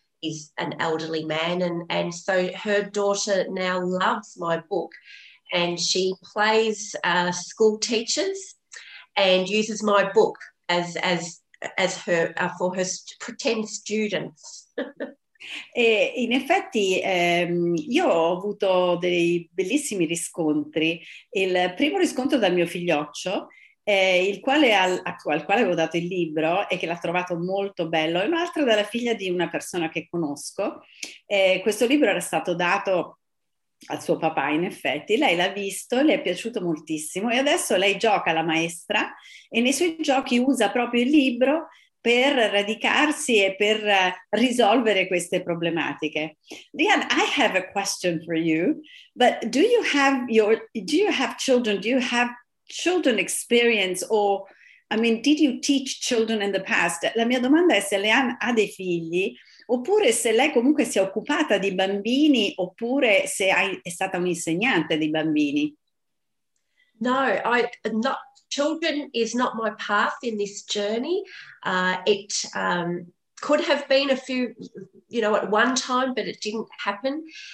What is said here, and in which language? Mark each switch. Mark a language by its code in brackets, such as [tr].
[en] He's an elderly man, and so her daughter now loves my book and she plays school teachers and uses my book for her pretend students. [it] E in effetti io ho avuto dei bellissimi riscontri. Il primo riscontro dal mio figlioccio, al quale avevo dato il libro e che l'ha trovato molto bello, e un altro dalla figlia di una persona che conosco. Questo libro era stato dato al suo papà, in effetti, lei l'ha visto, le è piaciuto moltissimo e adesso lei gioca la maestra e nei suoi giochi usa proprio il libro per radicarsi e per risolvere queste problematiche. [en] Leanne, I have a question for you, but do you have children experience, or I mean, did you teach children in the past? [it] La mia domanda è se Leanne ha dei figli, oppure se lei comunque si è occupata di bambini, oppure se è stata un'insegnante di bambini. [en] No, children is not my path in this journey. It could have been a few, you know, at one time, but it didn't happen.